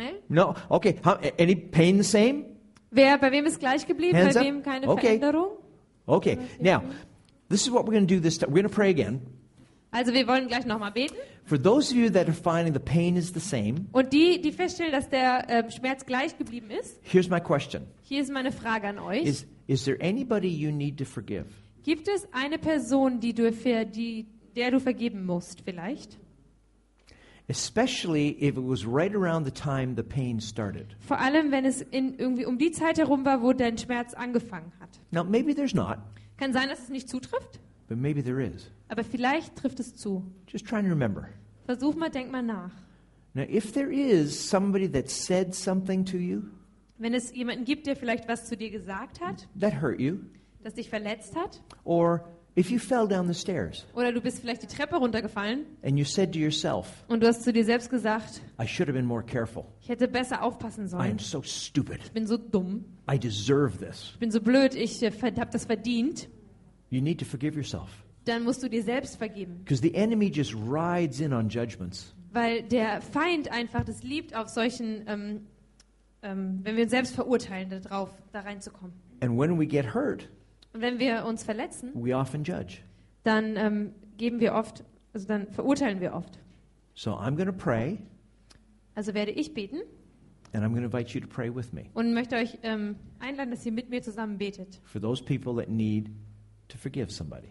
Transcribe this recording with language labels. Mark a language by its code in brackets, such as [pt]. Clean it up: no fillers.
[en] No. Okay. Any pain the same? [de] Bei wem ist gleich geblieben? [en] Hands [de] bei wem keine [en] okay. [de] Veränderung? [en] Okay. Now, this is what we're going to do this time. We're going to pray again. [de] Also, wir wollen gleich nochmal beten. [en] For those of you that are finding the pain is the same. [de] Und die feststellen, dass der Schmerz gleich geblieben ist. [en] Here's my question. [de] Hier ist meine Frage an euch. [en] Is there anybody you need to forgive? [de] Gibt es eine Person, der du vergeben musst, vielleicht? [en] Especially if it was right around the time the pain started. [de] Vor allem wenn es irgendwie um die Zeit herum war, wo dein Schmerz angefangen hat. [en] Now maybe there's not. [de] Kann sein, dass es nicht zutrifft. [en] But maybe there is. [de] Aber vielleicht trifft es zu. [en] Just try and remember. [de] Versuch mal, denk mal nach. [en] Now if there is somebody that said something to you. [de] Wenn es jemanden gibt, der vielleicht was zu dir gesagt hat, [en] that hurt you, [de] das dich verletzt hat, [en] or if you fell down the stairs, [de] oder du bist vielleicht die Treppe runtergefallen, [en] and you said to yourself, [de] und du hast zu dir selbst gesagt, [en] I should have been more careful. [de] Ich hätte besser aufpassen sollen. [en] I am so stupid. [de] Ich bin so dumm. [en] I deserve this. [de] Ich bin so blöd. Ich habe das verdient. [en] You need to forgive yourself. [de] Dann musst du dir selbst vergeben. [en] Because the enemy just rides in on judgments. [de] Weil der Feind einfach das liebt, auf solchen, wenn wir uns selbst verurteilen, darauf da reinzukommen. [en] And when we get hurt, [de] und wenn wir uns verletzen, [en] we often judge. [de] Dann geben wir oft, also dann verurteilen wir oft. [en] So I'm gonna pray, [de] also werde ich beten. [en] And I'm gonna invite you to pray with me. [de] Und möchte euch einladen, dass ihr mit mir zusammen betet. [en] For those people that need to forgive somebody.